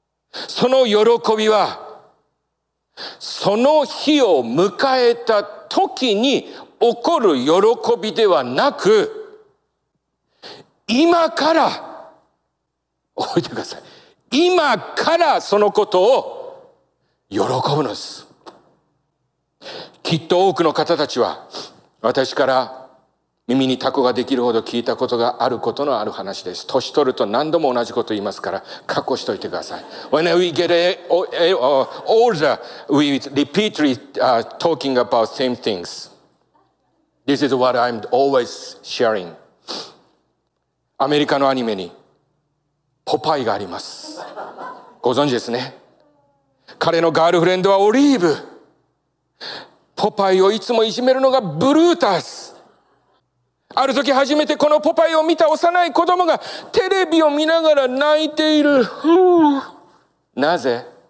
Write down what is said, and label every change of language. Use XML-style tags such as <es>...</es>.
<ja>その喜びはその日を迎えた時に起こる喜びではなく、今から覚えてください、今からそのことを喜ぶのです。きっと多くの方たちは私から耳にタコができるほど聞いたことがあることのある話です。年取ると何度も同じこと言いますから覚悟しといてください。</ja> <en>When we get older we repeatedly talking about same thingsThis is what I'm always sharing.</en> <ja>アメリカのアニメにポパイがあります。ご存知ですね。彼のガールフレンドはオリーブ。ポパイをいつもいじめるのがブルータス。ある時初めてこのポパイを見た幼い子供がテレビを見ながら泣いている。なぜ？</ja>